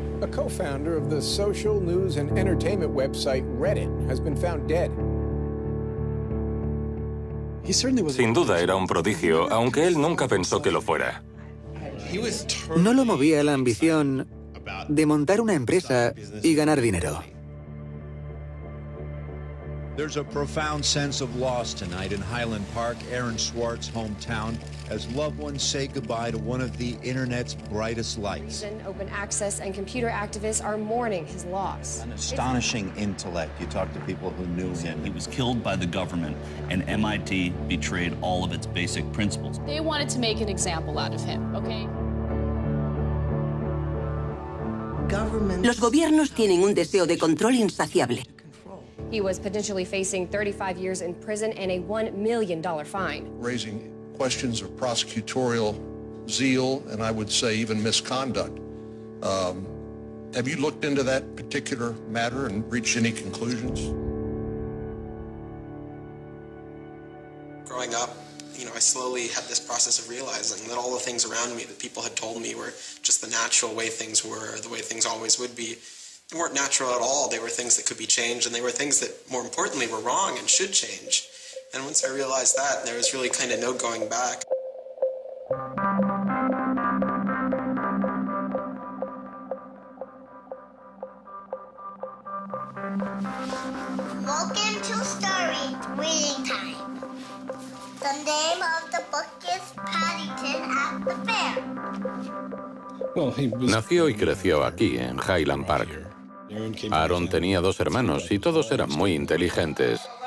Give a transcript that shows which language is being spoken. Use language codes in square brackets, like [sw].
[en] co-founder of the social news and entertainment website Reddit has been found dead. [es] Sin duda era un prodigio, aunque él nunca pensó que lo fuera. No lo movía la ambición de montar una empresa y ganar dinero. [en] There's a profound sense of loss tonight in Highland Park, Aaron Swart's hometown, as loved ones say goodbye to one of the internet's brightest lights. Open access and computer activists are mourning his loss. An astonishing intellect. You talk to people who knew him. He was killed by the government, and MIT betrayed all of its basic principles. They wanted to make an example out of him, okay? [es] Los gobiernos tienen un deseo de control insaciable. [en] He was potentially facing 35 years in prison and a $1 million fine. Raising questions of prosecutorial zeal and I would say even misconduct. Have you looked into that particular matter and reached any conclusions? Growing up, you know, I slowly had this process of realizing that all the things around me that people had told me were just the natural way things were, the way things always would be. They weren't natural at all. They were things that could be changed, and they were things that, more importantly, were wrong and should change. And once I realized that, there was really kind of no going back. Welcome to Story Reading Time. The name of the book is Paddington at the Fair. [es] Nació y creció aquí, en Highland Park. Aaron tenía dos hermanos y todos eran muy inteligentes.